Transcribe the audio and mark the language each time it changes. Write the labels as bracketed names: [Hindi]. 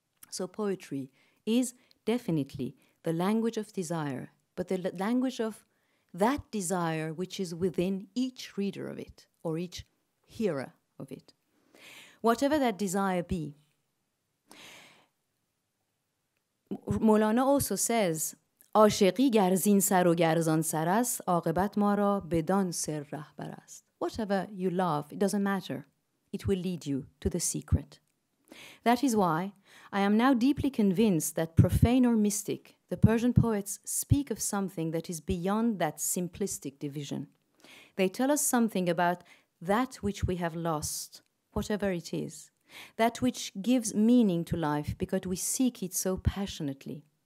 [English] So poetry is definitely the language of desire, but the language of that desire which is within each reader of it or each hearer of it, whatever that desire be. [Persian] مولانا [English] also says, [Persian] عاشقی گر زین سر و گر زان سر است عاقبت ما را بدان سر رهبر است. [English] Whatever you love, it doesn't matter. It will lead you to the secret. That is why I am now deeply convinced that profane or mystic, the Persian poets speak of something that is beyond that simplistic division. They tell us something about that which we have lost, whatever it is, that which gives meaning to life because we seek it so passionately.